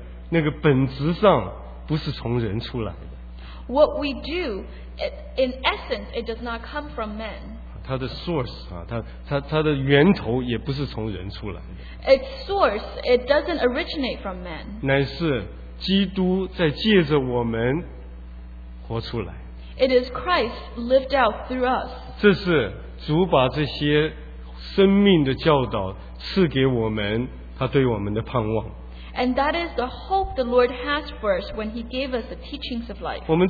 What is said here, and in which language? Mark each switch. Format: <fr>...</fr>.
<zh>我们所行出来的那个本质上不是从人出来的</zh> <en>What we do, in essence, it does not come from men.</en> <zh>它的 source 啊，它的源头也不是从人出来的。</zh> <en>Its source, it doesn't originate from men.</en> <zh>乃是基督在借着我们活出来。</zh> <en>It is Christ lived out through us.</en> <zh>这是主把这些生命的教导赐给我们，他对我们的盼望。</zh> <en>And that is the hope the Lord has for us when He gave us the teachings of life.</en>